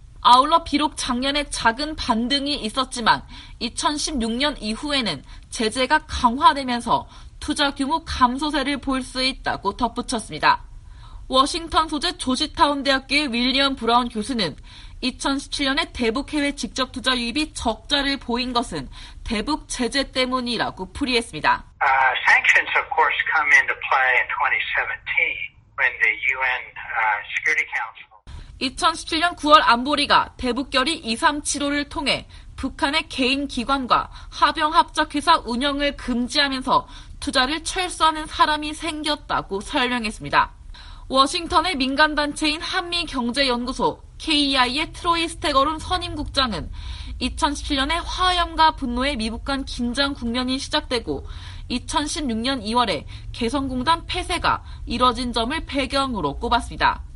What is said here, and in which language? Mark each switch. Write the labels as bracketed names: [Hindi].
[Korean] 아울러 비록 작년에 작은 반등이 있었지만 2016년 이후에는 제재가 강화되면서 투자 규모 감소세를 볼 수 있다고 덧붙였습니다. 워싱턴 소재 조지타운 대학교의 윌리엄 브라운 교수는 2017년에 대북 해외 직접 투자 유입이 적자를 보인 것은 대북 제재 때문이라고 풀이했습니다. [English] Sanctions of course come into play in 2017 when the UN Security Council [Korean] 2017년 9월 안보리가 대북결의 2375를 통해 북한의 개인 기관과 합병합작회사 운영을 금지하면서 투자를 철수하는 사람이 생겼다고 설명했습니다. 워싱턴의 민간단체인 한미경제연구소 KEI의 트로이 스테거룸 선임국장은 2017년에 화염과 분노의 미북 간 긴장 국면이 시작되고 2016년 2월에 개성공단 폐쇄가 이뤄진 점을 배경으로 꼽았습니다.